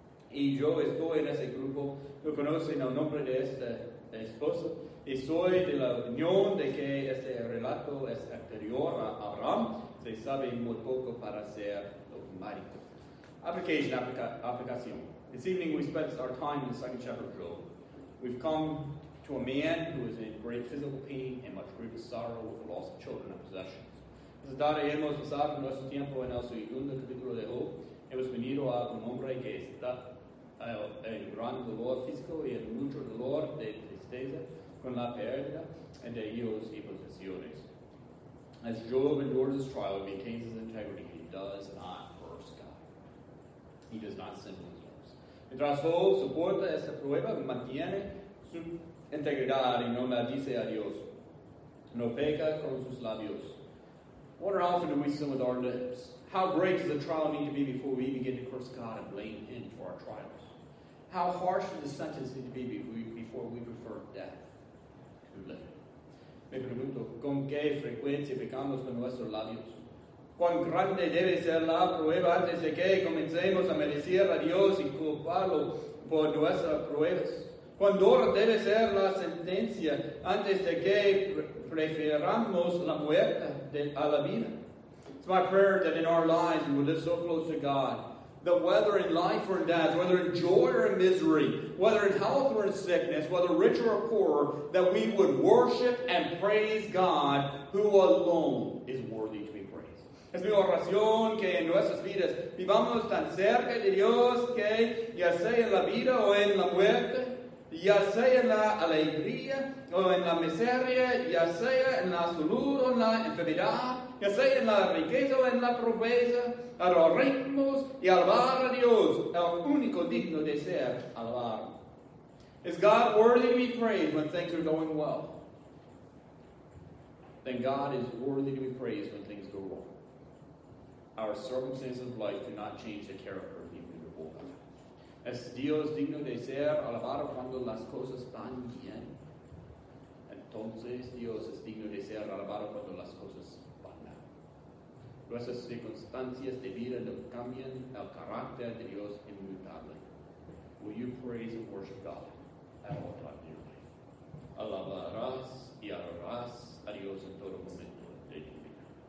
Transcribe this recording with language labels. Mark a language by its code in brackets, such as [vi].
[es] y yo estoy en ese grupo, no conocen el nombre de este esposo, y soy de la opinión de que este relato es anterior a Abraham, se sabe muy poco para ser dogmático. [en] Application. This evening we spent our time in the second chapter of Job. We've come to a man who is in great physical pain and much grievous sorrow with the loss of children and possessions. [es] Hemos pasado nuestro tiempo en el segundo capítulo de Job. Hemos venido a un hombre que está en gran dolor físico y en mucho dolor de tristeza con la pérdida de hijos y posesiones. [en] As Job endures his trial, he maintains his integrity. He does not curse God. He does not sin with his lips. [es] Mientras Job soporta esta prueba, mantiene su integridad y no maldice a Dios, no peca con sus labios. [en] What are often we sin with our lips? How great does the trial need to be before we begin to curse God and blame Him for our trials? How harsh does the sentence need to be before we prefer death to living? [es] Me pregunto, ¿con qué frecuencia pecamos con nuestros labios? ¿Cuán grande debe ser la prueba antes de que comencemos a maldecir a Dios y culparlo por nuestras pruebas? ¿Cuán dura debe ser la sentencia antes de que preferamos la muerte a la vida? [en] It's my prayer that in our lives we live so close to God that whether in life or in death, whether in joy or in misery, whether in health or in sickness, whether richer or poorer, that we would worship and praise God who alone is worthy to be praised. [es] Es mi oración que en nuestras vidas vivamos tan cerca de Dios que ya sea en la vida o en la muerte, ya sea en la alegría o en la miseria, ya sea en la salud o en la enfermedad, ya sea en la riqueza o en la pobreza, adoremos y alabar a Dios, el único digno de ser alabado. [en] Is God worthy to be praised when things are going well? Then God is worthy to be praised when things go wrong. Our circumstances of life do not change the character of the immutable God. [es] Es Dios digno de ser alabado cuando las cosas van bien. Entonces Dios es digno de ser alabado cuando las cosas van mal. Nuestras circunstancias de vida no cambian el carácter de Dios inmutable. [en] Will you praise and worship God at all times in your life? [es] Alabarás y adorarás a Dios en todo momento de tu vida.